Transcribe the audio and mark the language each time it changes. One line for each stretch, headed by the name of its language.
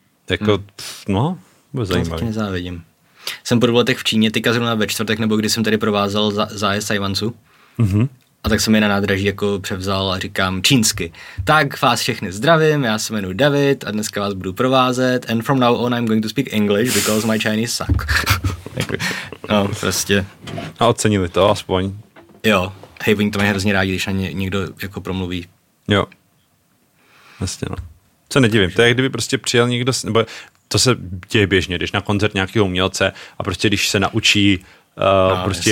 Czech: Jako, no, bude zajímavý. To tě nezávidím. Jsem po dvou letech v Číně, tyka zrovna ve čtvrtek, nebo když jsem tady provázal zájezd Tchaj-wanu. Mm-hmm. A tak jsem je na nádraží jako převzal a říkám čínsky. Tak vás všechny zdravím, já se jmenuji David a dneska vás budu provázet.
English: And from now on I'm going to speak English because my Chinese suck.
Czech: No, prostě. A ocenili to aspoň. Jo, hej, oni to mají hrozně rádi, když na ně někdo jako promluví. Jo, vlastně no. Co nedivím, to je, kdyby prostě přijel někdo, nebo... To se děje běžně, když na koncert nějakého umělce a prostě když se naučí prostě jasně.